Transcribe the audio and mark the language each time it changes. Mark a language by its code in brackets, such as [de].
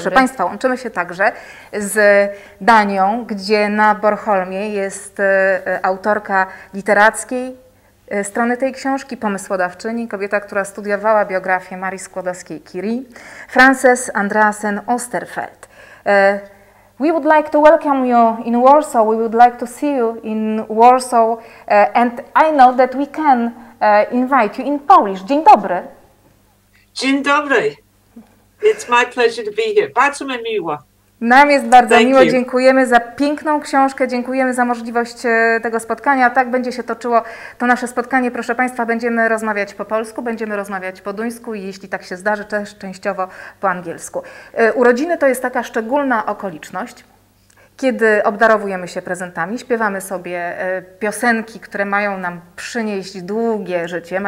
[pl] Proszę Państwa, łączymy się także z Danią, gdzie na Bornholmie jest autorka literackiej strony tej książki, pomysłodawczyni, kobieta, która studiowała biografię Marii Skłodowskiej-Curie, Frances Andreasen Osterfeld. [en] We would like to welcome you in Warsaw. We would like to see you in Warsaw. And I know that we can invite you in Polish. [pl] Dzień dobry. Dzień dobry. [en] It's my pleasure to be here. [pl] Bardzo mi miło. Nam jest bardzo miło. Dziękujemy za piękną książkę, dziękujemy za możliwość tego spotkania. Tak będzie się toczyło to nasze spotkanie. Proszę Państwa, będziemy rozmawiać po polsku, będziemy rozmawiać po duńsku i jeśli tak się zdarzy, też częściowo po angielsku. Urodziny to jest taka szczególna okoliczność, kiedy obdarowujemy się prezentami, śpiewamy sobie piosenki, które mają nam przynieść długie życie.